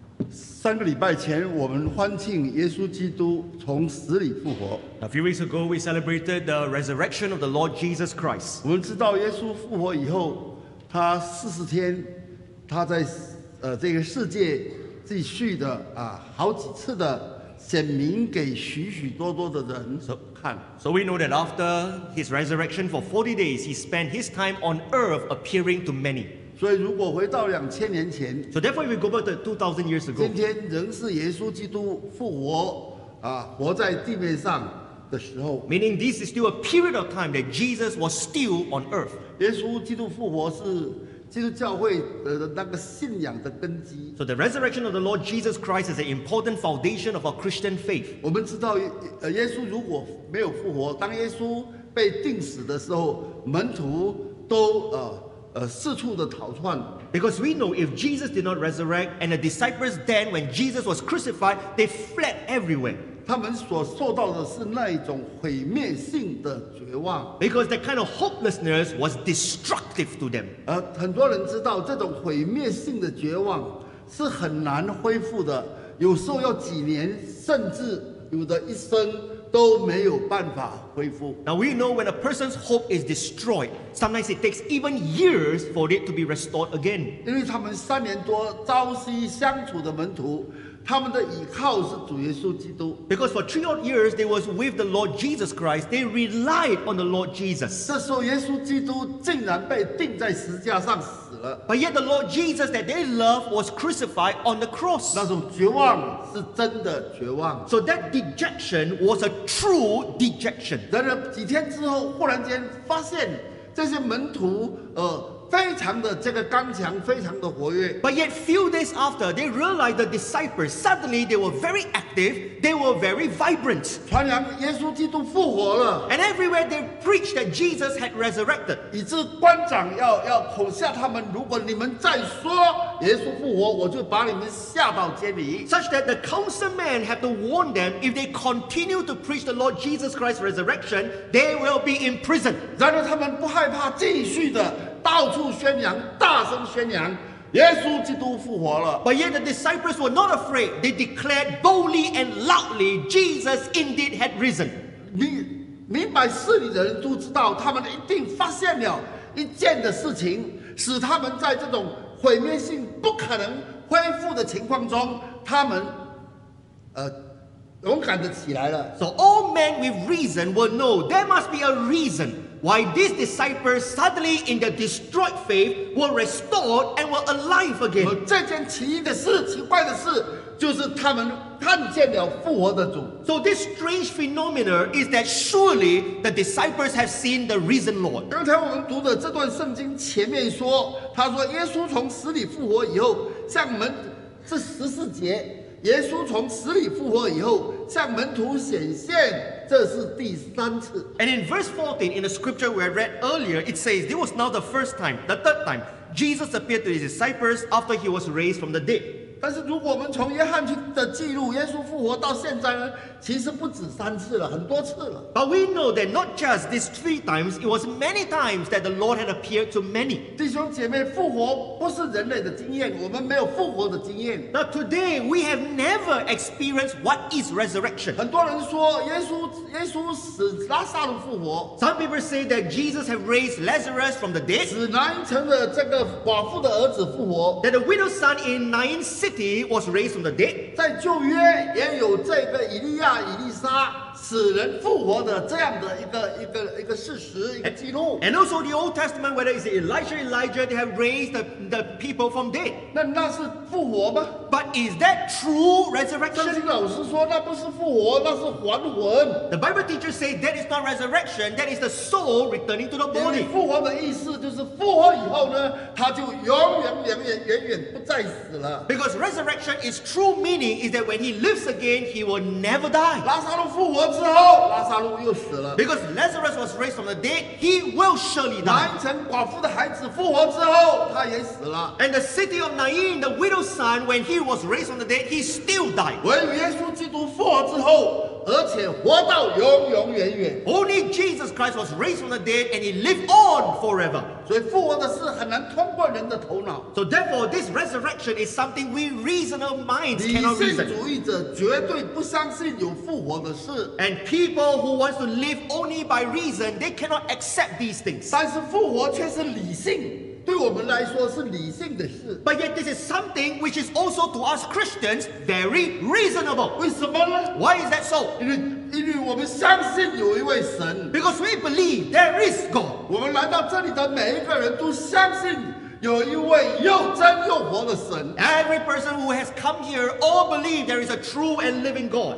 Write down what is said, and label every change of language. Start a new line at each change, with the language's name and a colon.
Chinese: 三个礼拜前，我们欢庆耶稣基督从死里复活。
English: A few weeks ago, we celebrated the resurrection of the Lord Jesus Christ.
Chinese: 我们知道耶稣复活以后，他四十天，他在这个世界继续的啊好几次的显明给许许多多的人看。
English: So we know that after his resurrection for 40 days, he spent his time on earth appearing to many.
Chinese: 所以如果回到两千年前
English: So therefore if we go back to 2000 years ago
Chinese: 今天仍是耶稣基督复活、活在地面上的时候
English: Meaning this is still a period of time that Jesus was still on earth
Chinese: 耶稣基督复活是基督教会的那个信仰的根基
English: So the resurrection of the Lord Jesus Christ is an important foundation of our Christian faith
Chinese: 我们知道耶稣如果没有复活当耶稣被钉死的时候门徒都四处的逃窜
English: Because we know if Jesus did not resurrect and the disciples then when Jesus was crucified, they fled everywhere.
Chinese: 他们所受到的是那一种毁灭性的绝望
English: Because that kind of hopelessness was destructive to them.
Chinese: 很多人知道这种毁灭性的绝望是很难恢复的有时候要几年甚至有的一生都没有办法恢复。
English: Now we know when a person's hope is destroyed, sometimes it takes even years for it to be restored again.
Chinese: 因为他们三年多朝夕相处的门徒，他们的依靠是主耶稣基督。
English: Because for three odd years they was with the Lord Jesus Christ, they relied on the Lord Jesus.
Chinese: 这时候耶稣基督竟然被钉在十字架上死了。
English: But yet the Lord Jesus that they loved was crucified on the cross.
Chinese: 那种绝望是真的绝望。
English: So that dejection was a true dejection.
Chinese: 然而几天之后，忽然间发现这些门徒，非常的这个刚强，非常的活跃。
English: But yet few days after, they realized the disciples suddenly they were very active, they were very vibrant.
Chinese: 传扬耶稣基督复活了。
English: And everywhere they preached that Jesus had resurrected.
Chinese: 以致官长要恐吓他们，如果你们再说耶稣复活，我就把你们下到监里。
English: Such that the councilmen have to warn them if they continue to preach the Lord Jesus Christ's resurrection, they will be in prison.
Chinese: 然而他们不害怕，继续的。到处宣扬，大声宣扬，耶稣基督复活了。
English: But yet the disciples were not afraid. They declared boldly and loudly, Jesus indeed had risen.
Chinese: 明白事理的人都知道，他们一定发现了一件的事情，使他们在这种毁灭性不可能恢复的情况中，他们勇敢的起来了。
English: So all men with reason will know there must be a reason. Why these disciples suddenly in their destroyed faith were restored and were alive again?
Chinese: 这件奇异的事，奇怪的事，就是他们看见了复活的主。
English: So this strange phenomenon is that surely the disciples have seen the risen Lord.
Chinese: 刚才我们读的这段圣经前面说，他说耶稣从死里复活以后，向门这十四节，耶稣从死里复活以后向门徒显现。这是第三次。
English: And in verse 14, in the scripture we read earlier, it says, this was not the first time, the third time, Jesus appeared to his disciples after he was raised from the dead.
Chinese: 但是如果我们从约翰的记录，耶稣复活到现在呢，其实不止三次了，很多次了。
English: But we know that not just these three times, it was many times that the Lord had appeared to many.
Chinese: 弟兄姐妹，复活不是人类的经验，我们没有复活的经验。
English: Now today, we have never experienced what is resurrection.
Chinese: 很多人说耶稣死，拉撒路复活。
English: Some people say that Jesus have raised Lazarus from the dead.
Chinese: 使南城的这个寡妇的儿子复活。
English: That the widow's son in Nain City was raised from the dead.
Chinese: 在旧约也有这个以利亚、以利沙死人复活的这样的一个事实、一个记录。
English: And also the Old Testament, whether it's Elijah, they have raised the people from dead.
Chinese: 那是复活吗
English: ？But is that true resurrection?
Chinese: 圣经老师说那不是复活，那是还魂。
English: The Bible teachers say that is not resurrection, that is the soul returning to the body.
Chinese: 复活的意思就是复活以后呢，他就永远不再死了。
English: Because resurrection is true meaning is that when he lives again, he will never die.
Chinese: 拉撒路复活之后，拉撒路又死了。
English: Because Lazarus was raised from the dead, he will surely die.
Chinese: 南城寡妇的孩子复活之后，他也死了。
English: And the city of Nain, the widow's son, when he was raised from the dead, he still died.
Chinese: 唯耶稣基督复活之后，而且活到永永远远。
English: Only Jesus Christ was raised from the dead and he lived on forever.
Chinese: 所以复活的事很难通过人的头脑。
English: So therefore, this resurrection is something we reasonable minds cannot reason.
Chinese: 理性主义者绝对不相信有复活的事。
English: And people who want to live only by reason, they cannot accept these things.
Chinese: 但是复活却是理性。对我们来说是理性的事。
English: But yet this is something which is also to us Christians very reasonable.
Chinese: 为什么呢？
English: Why is that so?
Chinese: 因为我们相信有一位神。
English: Because we believe there is God.
Chinese: 我们来到这里的每一个人都相信有一位又真又活的神。
English: Every person who has come here all believe there is a true and living God.